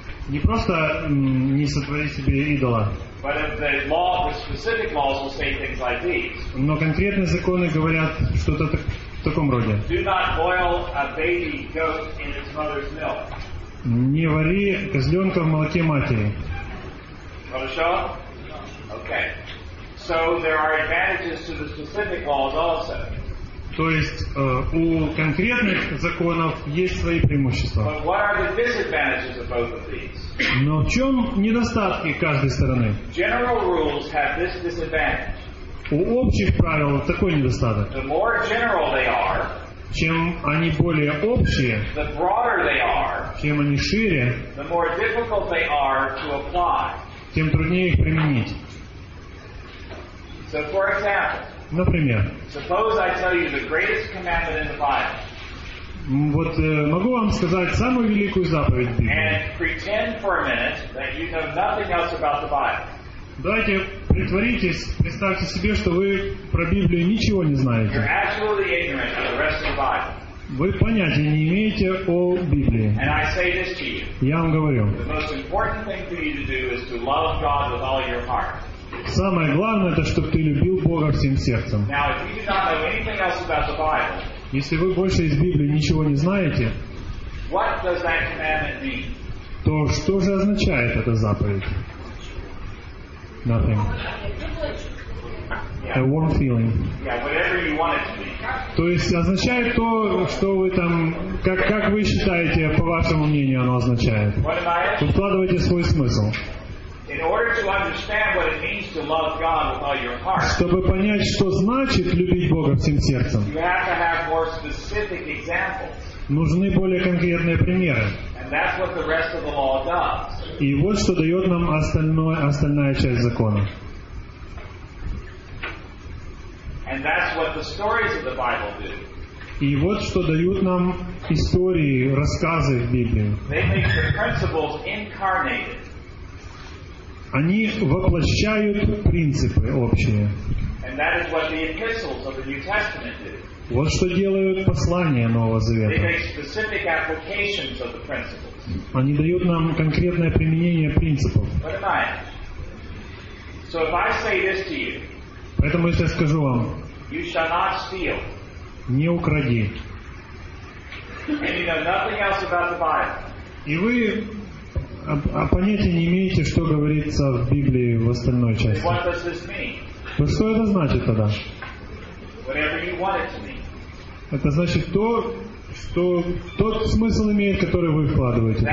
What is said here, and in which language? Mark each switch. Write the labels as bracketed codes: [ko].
[ru] Не просто не сотвори себе идола. [en] But the law, the specific laws will say things like these. [ru] Но конкретные законы говорят что-то в таком роде. [en] Do not boil a baby goat in its mother's milk. [ru] Не вари козленка в молоке матери. Хорошо? Okay. [en] So there are advantages to the specific laws also. [ru] То есть у конкретных законов есть свои преимущества. [en] But what are the disadvantages of both of these? [ru] Но в чем недостатки каждой стороны? [en] General rules have this disadvantage. [ru] У общих правил такой недостаток. [en] The more general they are, [ru] чем они более общие, [en] the broader they are, [ru] чем они шире, [en] the more difficult they are to apply. [ru] Тем труднее их применить. [en] So for example, [ru] например, [en] suppose I tell you the greatest commandment in the Bible. [ru] Вот могу вам сказать самую великую заповедь в Библии. [en] And pretend for a minute that you know nothing else about the Bible. [ru] Давайте притворитесь, представьте себе, что вы про Библию ничего не знаете. [en] You're absolutely ignorant of the rest of the Bible. [ru] Вы понятия не имеете о Библии. [en] And I say this to you. [ru] Я вам говорю. [en] The most important thing for you to do is to love God with all your heart. [ru] Самое главное, это чтобы ты любил Бога всем сердцем. [en] Now, if you do not know anything else about the Bible, [ru] если вы больше из Библии ничего не знаете, [en] what does that commandment mean? [ru] То что же означает эта заповедь? [en] Nothing. Yeah. A warm feeling. Yeah, whatever you want it to be. [ru] То есть означает то, что вы там, как вы считаете, по вашему мнению, оно означает. [en] What [ru] вкладывайте свой смысл. [en] In order to understand what it means to love God with all your heart. [ru] Чтобы понять, что значит любить Бога всем сердцем. [en] You have to have more specific examples. [ru] Нужны более конкретные примеры. [en] And that's what the rest of the law does. [ru] И вот что дает нам остальная часть закона. [en] And that's what the stories of the Bible do. [ru] И вот что дают нам истории, рассказы в Библии. [en] They make the principles incarnated. [ru] Они воплощают принципы общие. [en] And that is what the epistles of the New Testament do. [ru] Вот что делают послания Нового Завета. [en] They make specific applications of the principles. [ru] Они дают нам конкретное применение принципов. [en] What am I? So if I say this to you, [ru] поэтому если я скажу вам, [en] you shall not steal. [ru] Не укради. [en] And you know nothing else about the Bible. [ru] И вы понятия не имеете, что говорится в Библии в остальной части. [en] What does this mean? [ru] Но что это значит тогда? [en] Whatever you want it to mean. [ru] Это значит то, что тот смысл имеет, который вы вкладываете.